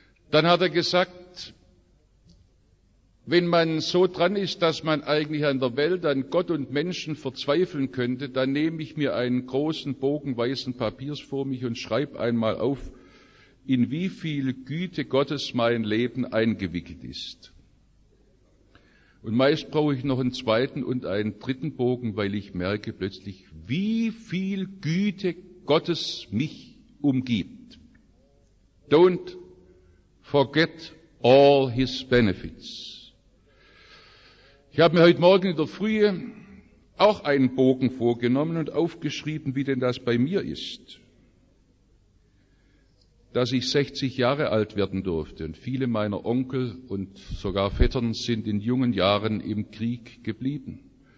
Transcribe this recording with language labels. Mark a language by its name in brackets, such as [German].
[German] Dann hat er gesagt, wenn man so dran ist, dass man eigentlich an der Welt, an Gott und Menschen verzweifeln könnte, dann nehme ich mir einen großen Bogen weißen Papiers vor mich und schreibe einmal auf, in wie viel Güte Gottes mein Leben eingewickelt ist. Und meist brauche ich noch einen zweiten und einen dritten Bogen, weil ich merke plötzlich, wie viel Güte Gottes mich umgibt. [English] Don't forget all his benefits. [German] Ich habe mir heute Morgen in der Frühe auch einen Bogen vorgenommen und aufgeschrieben, wie denn das bei mir ist, dass ich 60 Jahre alt werden durfte und viele meiner Onkel und sogar Vettern sind in jungen Jahren im Krieg geblieben.